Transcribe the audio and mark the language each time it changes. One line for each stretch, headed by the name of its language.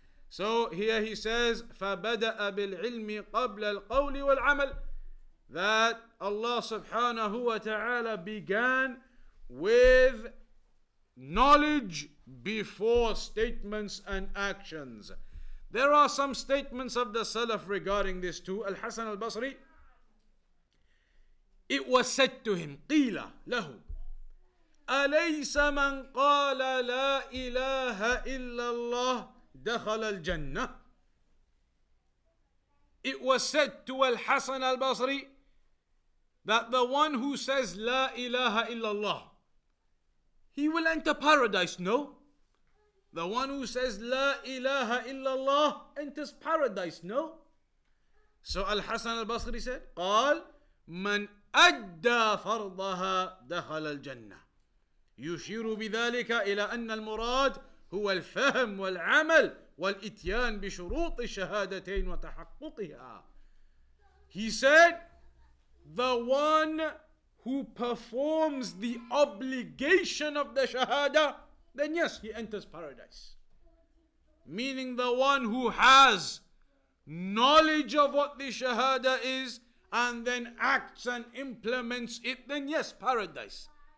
English: So here he says,
Arabic: فَبَدَأَ بِالْعِلْمِ قَبْلَ الْقَوْلِ وَالْعَمَلِ,
English: that Allah subhanahu wa ta'ala began with knowledge before statements and actions. There are some statements of the Salaf regarding this too.
Arabic: Al-Hasan al-Basri,
English: it was said to him,
Arabic: قِيلَ لَهُ أَلَيْسَ مَنْ قَالَ لَا إِلَهَ إِلَّا اللَّهِ دَخَلَ الْجَنَّةِ.
English: It was said to Al-Hasan al-Basri that the one who says
Arabic: لا إله إلا الله,
English: he will enter paradise, no? The one who says La ilaha illallah enters paradise, no? So Al-Hasan al-Basri said,
Arabic: قال من أدى فرضها دخل الجنة. يشير بذلك إلى أن المراد هو الفهم والعمل والإتيان بشروط الشهادتين وتحققها.
English: He said, the one who performs the obligation of the shahada, then yes, he enters paradise. Meaning the one who has knowledge of what the shahada is and then acts and implements it, then yes, paradise.